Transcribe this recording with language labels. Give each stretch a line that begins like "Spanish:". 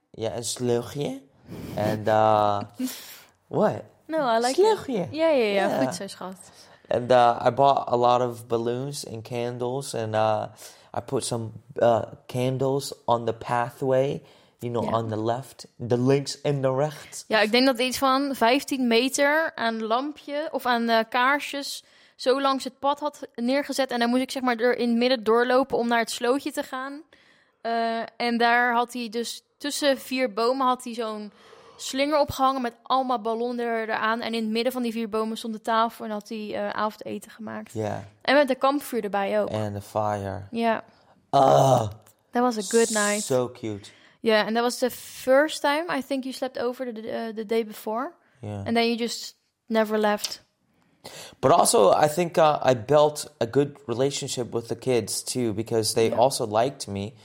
English: Yeah,
Dutch: een slootje.
English: And what? No, I like
Dutch: slootje. Yeah. Goed zo, schat.
English: And I bought a lot of balloons and candles. And I put some candles on the pathway. You know, on the left. The links and the rechts.
Dutch: Ja, ik denk dat iets van 15 meter aan lampje of aan kaarsjes zo langs het pad had neergezet. En dan moest ik zeg maar er in het midden doorlopen om naar het slootje te gaan. En daar had hij dus tussen 4 bomen had hij zo'n slinger opgehangen met allemaal ballonnen eraan. En in het midden van die 4 bomen stond de tafel en had hij avondeten gemaakt.
English: Yeah.
Dutch: En met de kampvuur erbij ook.
English: And the fire. Yeah. That was a good night. So cute. Yeah, and that was the first time I think you slept over the day before. Yeah. And then you just never left. But also, I think I built a good relationship with the kids, too, because they also liked me.